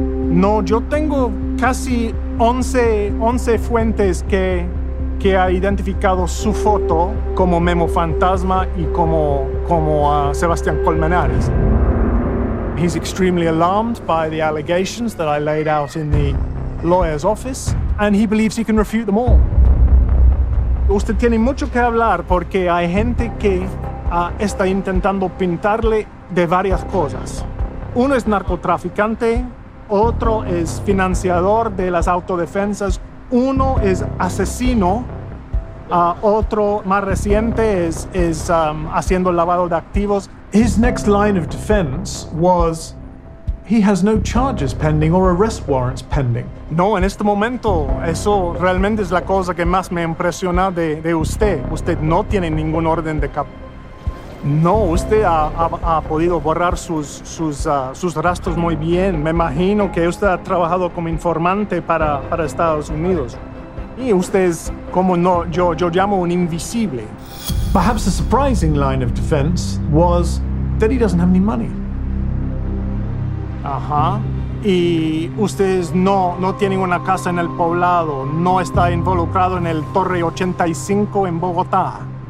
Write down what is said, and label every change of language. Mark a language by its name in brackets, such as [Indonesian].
[Spanish] No, yo tengo casi 11 fuentes que ha identificado su foto como Memo Fantasma y como Sebastián Colmenares. [English] He's extremely alarmed by the allegations that I laid out in the lawyer's office. And he believes he can refute them all. [Spanish] Usted tiene mucho que hablar porque hay gente que está intentando pintarle de varias cosas. Uno es narcotraficante, otro es financiador de las autodefensas, uno es asesino, otro más reciente es haciendo lavado de activos. [English] His next line of defense was, he has no charges pending or arrest warrants pending. [Spanish] No, en este momento, eso realmente es la cosa que más me impresiona de usted. Usted no tiene ningún orden de No, usted ha podido borrar sus rastros muy bien. Me imagino que usted ha trabajado como informante para Estados Unidos. Y usted es, como no, yo llamo un invisible. [English] Perhaps the surprising line of defense was that he doesn't have any money. Ajá. [Spanish] Y ustedes no tienen una casa en el poblado, no está involucrado en el Torre 85 en Bogotá.